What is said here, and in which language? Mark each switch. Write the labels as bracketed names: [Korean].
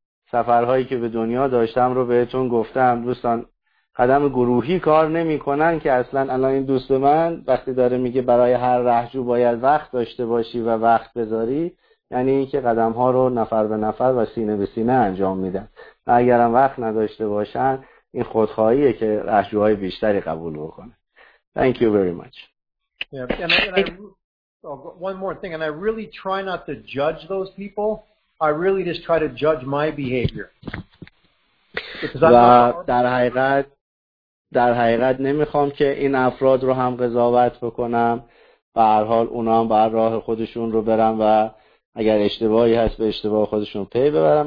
[Persian] سفرهایی که به دنیا داشتم رو بهتون گفتم، دوستان قدم گروهی کار نمی کنن، که اصلا الان این دوست من وقتی داره میگه برای هر رهجو باید وقت داشته باشی و وقت بذاری، یعنی این که قدم ها رو نفر به نفر و سینه به سینه انجام میدن، و اگرم وقت نداشته باشن این خودخواهیه که رهجوهای بیشتری قبول بکنه. [English] Thank you very much. One more thing, and I really try not to judge those people. I really just try to judge my behavior. [Persian] و در حقیقت نمیخوام که این افراد رو هم قضاوت بکنم. به هر حال اونا هم بر راه خودشون رو برن و اگر اشتباهی هست به اشتباه خودشون پی ببرن.